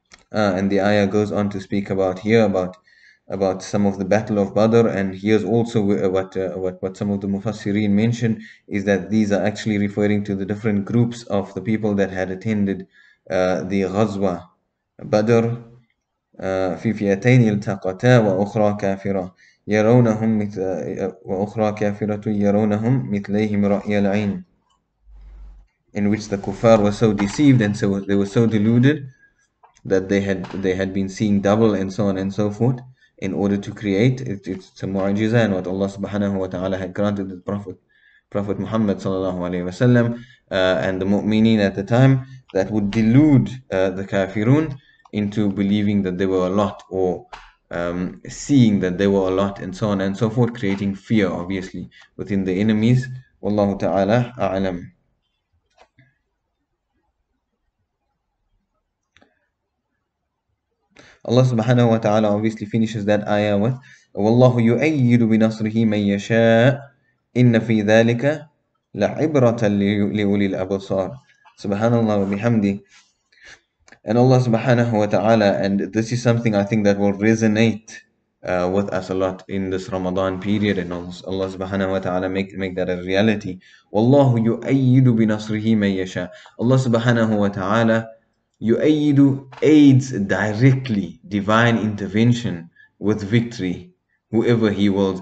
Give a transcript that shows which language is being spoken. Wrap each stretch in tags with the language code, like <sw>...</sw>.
<en>And the ayah goes on to speak about here about some of the Battle of Badr, and here's also what some of the Mufassireen mentioned, is that these are actually referring to the different groups of the people that had attended the Ghazwa,</en> <ar>بدر في فئتين التقتا وأخرى كافرة يرونهم مثل وأخرى كافرة يرونهم مثليهم رأي العين.</ar> <en>In which the kuffar were so deceived and so they were so deluded that they had been seeing double and so on and so forth in order to create it. It's a mu'ajiza and what Allah subhanahu wa ta'ala had granted the Prophet Muhammad sallallahu alayhi wa sallam and the mu'mineen at the time, that would delude the kafirun into believing that they were a lot, or seeing that they were a lot and so on and so forth, creating fear obviously within the enemies.</en> <ar>Wallahu ta'ala a'lam. Allah subhanahu wa ta'ala</ar> <en>obviously finishes that ayah with</en> <ar>وَاللَّهُ يُؤَيِّدُ بِنَصْرِهِ مَنْ يَشَاءُ إِنَّ فِي ذَلِكَ لَعِبْرَةً لِأُولِي الْأَبْصَارِ. Subhanallah wa bihamdi.</ar> <en>And Allah subhanahu wa ta'ala, and this is something I think that will resonate with us a lot in this Ramadan period, and Allah subhanahu wa ta'ala make that a reality.</en> <ar>وَاللَّهُ يُؤَيِّدُ بِنَصْرِهِ مَنْ يَشَاءُ.</ar> <en>Allah subhanahu wa ta'ala يُؤَيِّدُ aids directly divine intervention with victory, whoever he wills.</en>